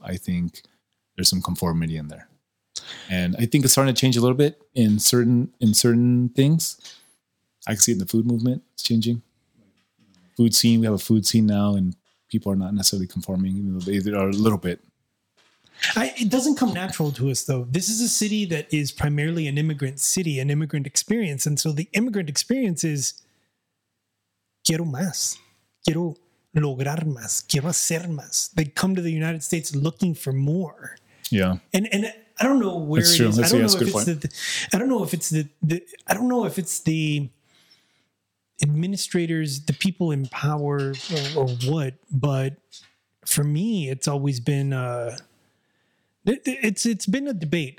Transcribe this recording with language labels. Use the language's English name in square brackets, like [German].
[English] I think there's some conformity in there. And I think it's starting to change a little bit in certain things. I can see it in the food movement. It's changing. Food scene. We have a food scene now and people are not necessarily conforming. They are a little bit. It doesn't come natural to us, though. This is a city that is primarily an immigrant city, an immigrant experience. And so the immigrant experience is, [Spanish] quiero más, quiero lograr más, quiero hacer más. [English] They come to the United States looking for more. Yeah. And I don't know where that's true. It is. That's a good point. I don't know if it's the administrators, the people in power or what, but for me, it's always been it's been a debate.